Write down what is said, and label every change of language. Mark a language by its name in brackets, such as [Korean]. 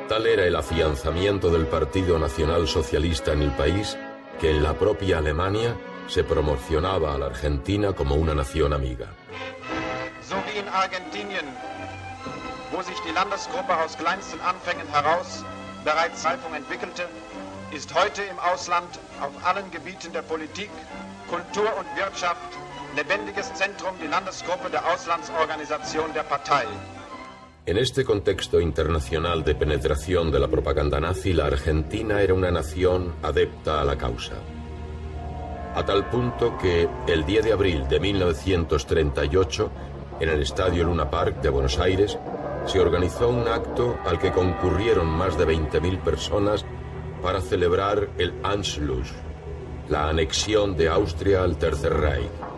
[Spanish] Era el afianzamiento del Partido Nacional Socialista en el país que en la propia Alemania se promocionaba a la Argentina como una nación amiga. [German] So wie in Argentinien, wo sich die Landesgruppe aus kleinsten Anfängen heraus bereits Zeitung entwickelte, ist heute im Ausland auf allen Gebieten der Politik, Kultur und Wirtschaft lebendiges Zentrum die Landesgruppe der Auslandsorganisation der Partei. [Spanish] En este contexto internacional de penetración de la propaganda nazi, la Argentina era una nación adepta a la causa. A tal punto que, el 10 de abril de 1938, en el Estadio Luna Park de Buenos Aires, se organizó un acto al que concurrieron más de 20.000 personas para celebrar el Anschluss, la anexión de Austria al Tercer Reich.